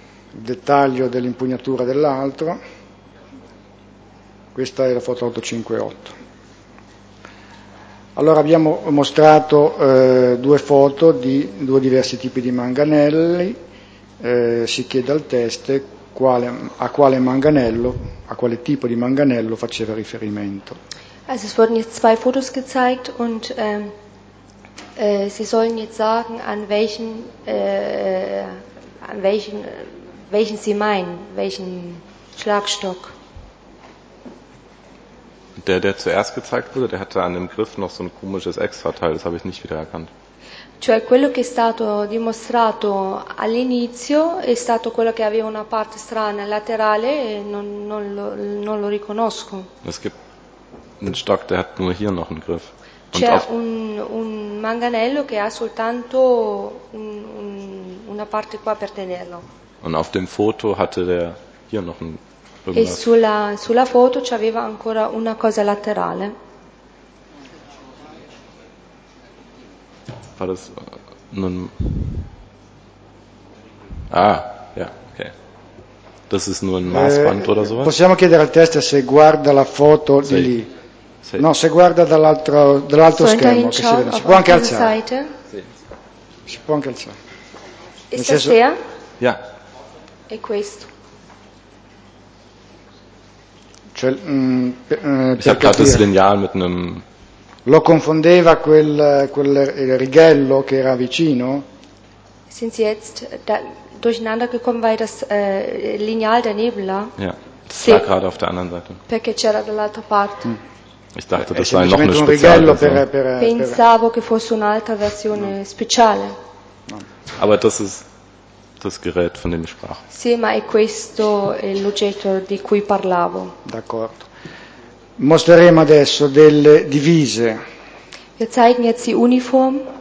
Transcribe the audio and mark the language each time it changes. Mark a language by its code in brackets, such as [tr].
[it] Dettaglio dell'impugnatura dell'altro. Questa è la foto 858. Allora abbiamo mostrato due foto di due diversi tipi di manganelli. Si chiede al test quale, a quale manganello, a quale tipo di manganello faceva riferimento. [de] Also es wurden jetzt zwei Fotos gezeigt und sie sollen jetzt sagen, an welchen sie meinen, welchen Schlagstock. Der, der zuerst gezeigt wurde, der hatte an dem Griff noch so ein komisches Extrateil, das habe ich nicht wiedererkannt. [it] Cioè quello che è stato dimostrato all'inizio è stato quello che aveva una parte strana laterale e non lo riconosco. [de] Es gibt einen Stock, der hat nur hier noch einen Griff. [it] C'è un manganello che ha soltanto una parte qua per tenerlo. [de] Und auf dem Foto hatte der hier noch ein [it] E sulla foto c'aveva ancora una cosa laterale. [de] War das nun? Ah, ja, okay. Das ist nur ein Maßband oder sowas? [it] Possiamo chiedere al test se guarda la foto di lì. Sei. No, se guarda dall'altro schermo che si vede. Si può anche alzare. Sì. Si può anche alzare. E stasera? [de] Ja. [it] E questo. Cioè, per capire. [de] Das Lineal mit einem. [it] Lo confondeva quel righello che era vicino? [de] Sind Sie jetzt durcheinander gekommen, weil das Lineal daneben lag? Ja, das sì. War gerade auf der anderen Seite. [it] Perché c'era dall'altra parte. [de] Ich dachte, das sei noch eine spezielle Version. [it] Pensavo che fosse un'altra versione speciale. [de] Aber das ist das Gerät, von dem ich sprach. [it] Sì, ma è questo l'oggetto di cui parlavo. D'accordo. Mostreremo adesso delle divise. [de] Wir zeigen jetzt die Uniform.